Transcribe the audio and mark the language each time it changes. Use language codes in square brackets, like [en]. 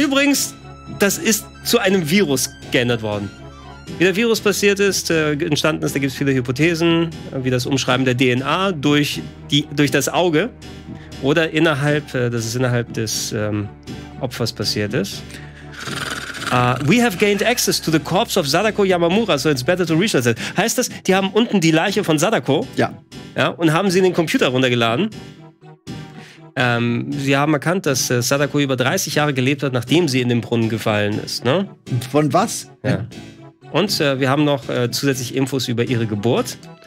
[de] Übrigens, das ist zu einem Virus geändert worden. Wie der Virus passiert ist, entstanden ist, da gibt es viele Hypothesen, wie das Umschreiben der DNA durch das Auge oder innerhalb des Opfers passiert ist. [en] We have gained access to the corpse of Sadako Yamamura, so it's better to research it. [de] Heißt das, die haben unten die Leiche von Sadako? Ja. Ja, und haben sie in den Computer runtergeladen? Sie haben erkannt, dass Sadako über 30 Jahre gelebt hat, nachdem sie in den Brunnen gefallen ist, ne? Von was? Ja. Und wir haben noch zusätzlich Infos über ihre Geburt.